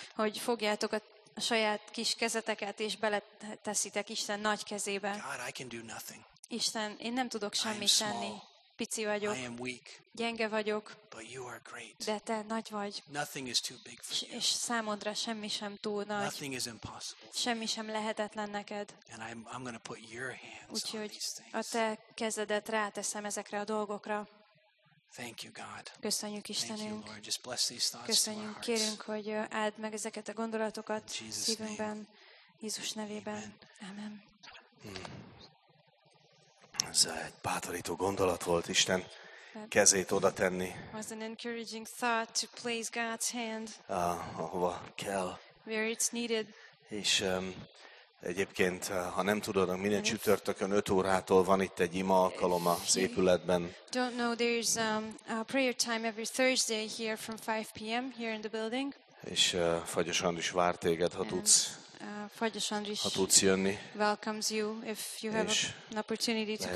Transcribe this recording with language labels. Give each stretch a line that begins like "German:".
Hungarian: Hogy fogjátok a saját kis kezeteket és beleteszitek Isten nagy kezébe.
English: God, I can do nothing.
Hungarian: Isten, én nem tudok semmit tenni. Pici vagyok,
English: I am weak,
Hungarian: gyenge vagyok,
English: but you are great.
Hungarian: De te nagy vagy.
English: Nothing is too big for you.
Hungarian: És számodra semmi sem túl nagy.
English: Nothing is impossible.
Hungarian: Semmi sem lehetetlen neked.
English: And I'm going to put your hands on these things.
Hungarian: A te kezedet ráteszem ezekre a dolgokra.
English: Thank you, God.
Hungarian: Köszönjük Istenünk.
English: Thank you, Lord. Just bless these thoughts.
Hungarian: Köszönjük, kérünk, hogy áld meg ezeket a gondolatokat szívünkben, Jézus nevében. Amen. Ez egy bátorító gondolat volt, Isten kezét oda tenni.
English: Was an encouraging thought to place God's hand.
Hungarian: Ahova kell.
English: Where it's needed.
Hungarian: És egyébként, ha nem tudod, minden csütörtökön 5 órától van itt egy ima alkalom az épületben.
English: Don't know, there's a prayer time every Thursday here from 5 p.m. here in the building.
Hungarian: És Fagyos Andris vár téged, ha tudsz. Fagyos Andris, ha tudsz jönni,
English: welcomes you if you have an opportunity to come.